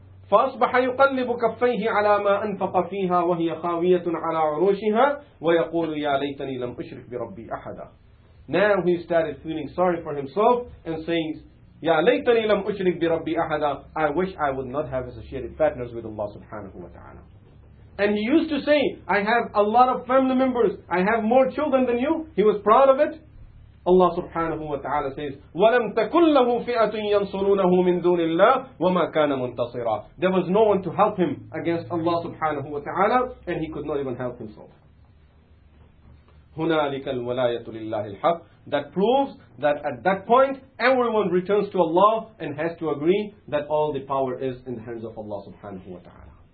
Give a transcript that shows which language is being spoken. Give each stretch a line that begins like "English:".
Arabic: فَأَصْبَحَ يُقَلِّبُ كَفَّيْهِ عَلَى مَا أَنْفَقَ فِيهَا وَهِيَ خَاوِيَةٌ عَلَى عُرُوشِهَا وَيَقُولُ يَا لَيْتَنِي لَمْ أُشْرِكْ بِرَبِّي أَحَدًا.
English: Now he started feeling sorry for himself and saying,
Arabic: Ya laytani lam ushrik bi rabbi ahada.
English: I wish I would not have associated partners with Allah subhanahu wa ta'ala. And he used to say, I have a lot of family members. I have more children than you. He was proud of it. Allah subhanahu wa ta'ala says,
Arabic: وَلَمْ تَكُلْ لَهُ فِئَةٌ يَنْصُرُونَهُ مِنْ دُونِ اللَّهِ وَمَا كَانَ مُنْتَصِرًا.
English: There was no one to help him against Allah subhanahu wa ta'ala, and he could not even help himself.
Arabic: هُنَالِكَ الْوَلَايَةُ لِلَّهِ الْحَقِّ.
English: That proves that at that point, everyone returns to Allah and has to agree that all the power is in the hands of Allah subhanahu wa ta'ala.